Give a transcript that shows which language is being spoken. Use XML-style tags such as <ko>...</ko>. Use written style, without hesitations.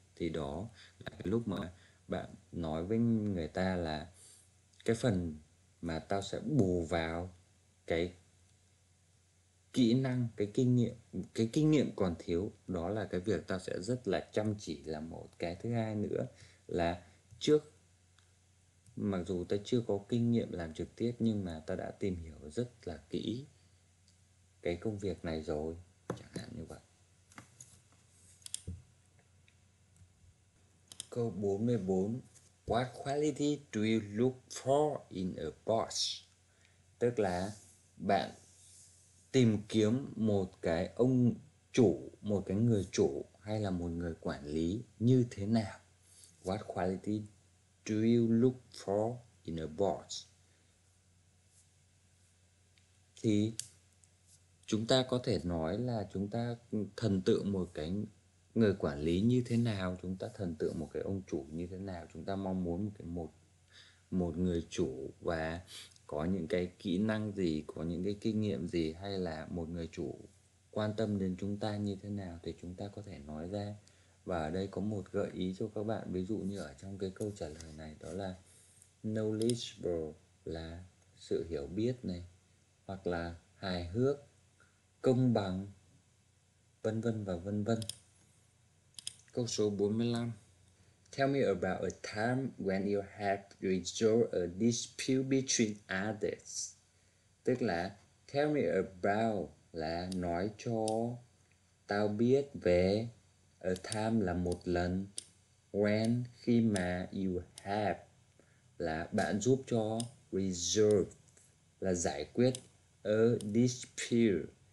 <vi>Thì đó là cái lúc mà bạn nói với người ta là cái phần mà tao sẽ bù vào cái kỹ năng, cái kinh nghiệm còn thiếu, đó là cái việc tao sẽ rất là chăm chỉ. Là một cái thứ hai nữa là trước, mặc dù tao chưa có kinh nghiệm làm trực tiếp, nhưng mà tao đã tìm hiểu rất là kỹ cái công việc này rồi, chẳng hạn như vậy. Câu 44,</vi> <en>what quality do you look for in a boss?</en> <vi>Tức là bạn tìm kiếm một cái ông chủ, một cái người chủ hay là một người quản lý như thế nào?</vi> <en>What quality do you look for in a boss?</en> <vi>Thì chúng ta có thể nói là chúng ta thần tượng một cái người quản lý như thế nào, chúng ta thần tượng một cái ông chủ như thế nào, chúng ta mong muốn một người chủ và có những cái kỹ năng gì, có những cái kinh nghiệm gì, hay là một người chủ quan tâm đến chúng ta như thế nào, thì chúng ta có thể nói ra. Và ở đây có một gợi ý cho các bạn, ví dụ như ở trong cái câu trả lời này, đó là knowledgeable là sự hiểu biết này, hoặc là hài hước, công bằng, vân vân và vân vân. Câu số 45,</vi> <en>tell me about a time when you had to resolve a dispute between others.</en> <vi>Tức là</vi> <en>tell me about</en> <vi>là nói cho tao biết về,</vi> <en>a time</en> <vi>là một lần, when khi mà</vi> <en>you have</en> <vi>là bạn giúp cho, resolve là giải quyết</vi> <en>a dispute.</en>